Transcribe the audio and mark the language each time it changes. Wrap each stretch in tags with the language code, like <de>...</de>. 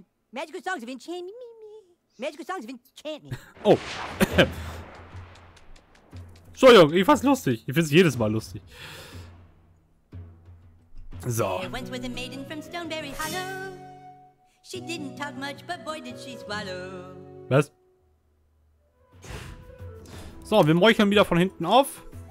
<en>Magical songs of enchant me, me. Magical songs of enchant me. Oh.</en> <de>Entschuldigung, ich fand's lustig. Ich find's jedes Mal lustig. So.</de> <en>There once was a maiden from Stoneberry Hollow. She didn't talk much, but boy did she swallow.</en> <de>Was? So, wir meucheln wieder von hinten auf.</de>